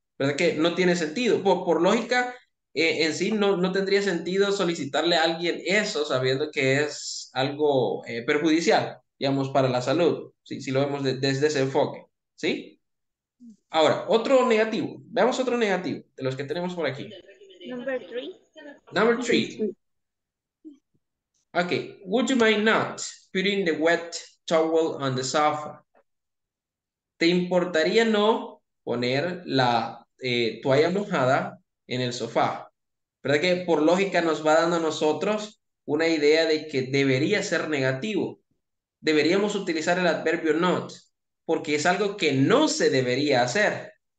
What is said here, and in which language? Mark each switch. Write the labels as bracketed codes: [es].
[es] ¿Verdad que no tiene sentido? Por lógica, en sí no tendría sentido solicitarle a alguien eso sabiendo que es algo perjudicial, digamos, para la salud, ¿sí? Si lo vemos desde ese enfoque, ¿sí? Ahora, otro negativo. Veamos otro negativo de los que tenemos por aquí. [en] Number three. Number The three. three. Okay. Would you mind not putting the wet towel on the sofa? [es] ¿Te importaría no poner la toalla mojada en el sofá? ¿Verdad que por lógica nos va dando a nosotros una idea de que debería ser negativo? Deberíamos utilizar el adverbio not, porque es algo que no se debería hacer.